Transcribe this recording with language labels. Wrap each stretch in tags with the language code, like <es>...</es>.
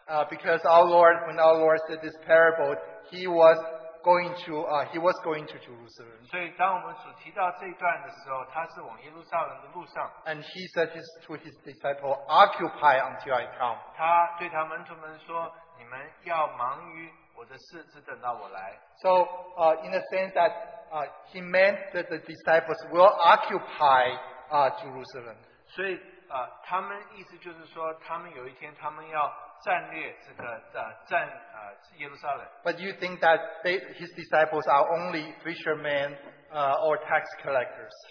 <en>Because our Lord, when our Lord said this parable, he was going to Jerusalem.</en> <zh>所以当我们主提到这一段的时候，他是往耶路撒冷的路上。</zh> <en>And he said this to his disciple, occupy until I come.</en> <zh>他对他门徒们说，你们要忙于我的事，只等到我来。</zh> <en>So in a sense that he meant that the disciples will occupy Jerusalem.</en> <zh>所以 他们意思就是说，他们有一天他们要战略这个战耶路撒冷。</zh> <en>But you think that his disciples are only fishermen or tax collectors?</en>